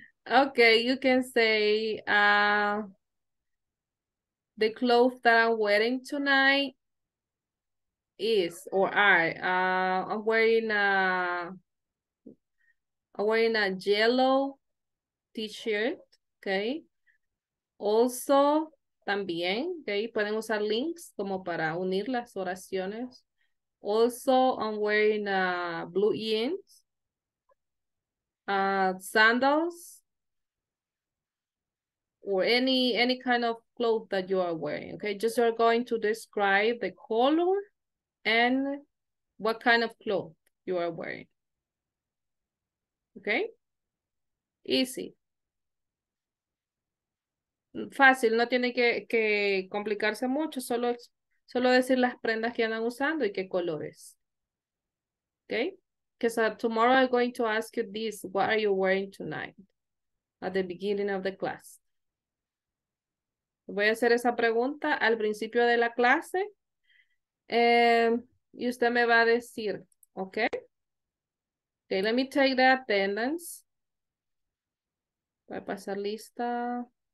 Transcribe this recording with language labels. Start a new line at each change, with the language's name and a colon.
English: Okay, you can say, the clothes that I'm wearing tonight is, or are, I'm wearing a yellow t-shirt, okay?
Spanish: Also, también, okay, pueden usar links como para unir las oraciones.
English: Also, I'm wearing blue jeans, sandals, or any kind of clothes that you are wearing, okay? Just you're going to describe the color and what kind of clothes you are wearing, okay? Easy.
Spanish: Fácil, no tiene que complicarse mucho, solo decir las prendas que andan usando y qué colores.
English: Okay? Because tomorrow I'm going to ask you this, what are you wearing tonight? At the beginning of the class.
Spanish: Voy a hacer esa pregunta al principio de la clase. Y usted me va a decir,
English: okay? Okay, let me take the attendance.
Spanish: Voy a pasar lista.